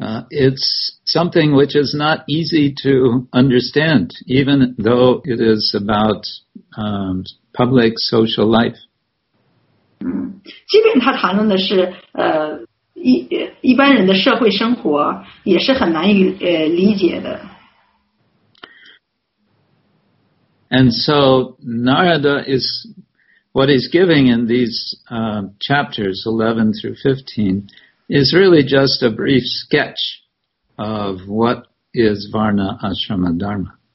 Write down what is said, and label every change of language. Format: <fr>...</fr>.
<en>It's something which is not easy to understand, even though it is about public social life.</en> <zh>即便他谈论的是一般人的社会生活，也是很难于理解的。</zh> <en>And so Narada is what he's giving in these chapters 11 through 15. Is really just a brief sketch of what is Varna Ashrama Dharma.</en>